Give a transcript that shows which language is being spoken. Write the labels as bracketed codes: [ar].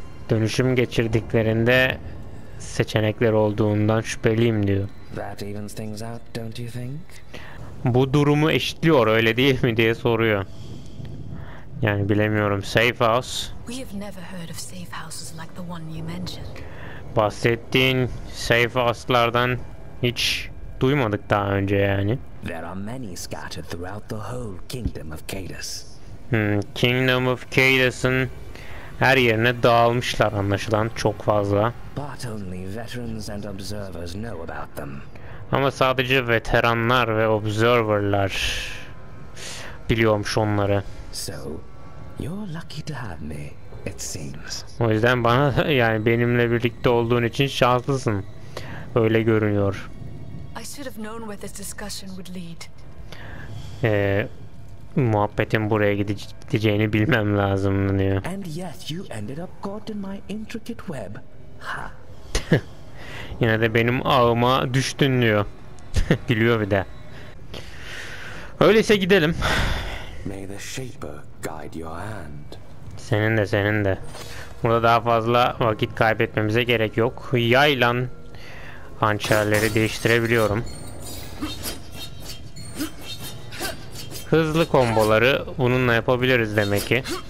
[tr] Dönüşüm geçirdiklerinde seçenekler olduğundan şüpheliyim diyor. [en] That evens things out, don't you think? [tr] Bu durumu eşitliyor öyle değil mi diye soruyor. Yani bilemiyorum. Safe House. [en] We have never heard of safe houses like the one you mentioned. [tr] Bahsettiğin safe house'lardan hiç duymadık daha önce yani. [en] There are many scattered throughout the whole kingdom of Cadus. [tr] Kingdom of Cadus'ın her yerine dağılmışlar anlaşılan, çok fazla. But only veterans and observers know about them. Ama sadece veteranlar ve observerlar biliyormuş onları. [en] So, you're lucky to have me, it seems. [tr] O yüzden bana, yani benimle birlikte olduğun için şanslısın. Öyle görünüyor. [en] I should have known where this discussion would lead. [tr] Muhabbetin buraya gideceğini bilmem lazım diyor. [en] And yet you ended up caught in my intricate web. Ha. [tr] Yine de benim ağıma düştün diyor. Gülüyor bir de. Öyleyse gidelim. [en] May the shaper guide your hand. [tr] Senin de. Burada daha fazla vakit kaybetmemize gerek yok. Yaylan hançerleri değiştirebiliyorum. Hızlı komboları bununla yapabiliriz demek ki.